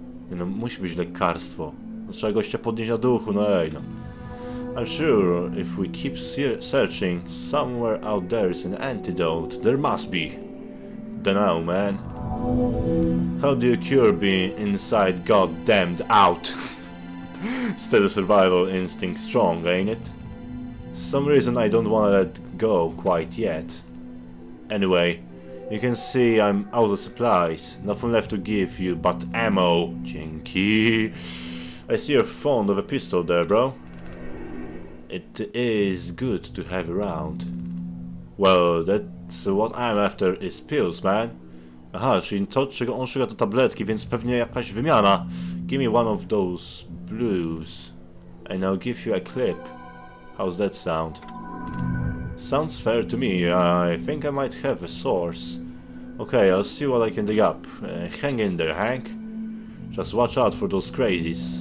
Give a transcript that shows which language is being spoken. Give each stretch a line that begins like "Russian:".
Polish: Nie no, musi być lekarstwo. No, trzeba gościa podnieść na duchu, no ej no.
English: I'm sure if we keep searching, somewhere out there is an antidote. There must be. Dunno, man. How do you cure being inside goddamned out? Still a survival instinct strong, ain't it? Some reason I don't wanna let go quite yet. Anyway, you can see I'm out of supplies. Nothing left to give you but ammo.
Polish: Dzięki.
English: I see you're fond of a pistol there, bro. It is good to have around. Well, that's what I'm after is pills, man.
Polish: Aha, czyli to, czego on szuka, to tabletki, więc pewnie jakaś wymiana.
English: Give me one of those blues and I'll give you a clip. How's that sound? Sounds fair to me. I think I might have a source. Okay, I'll see what I can dig up. Hang in there, Hank. Just watch out for those crazies.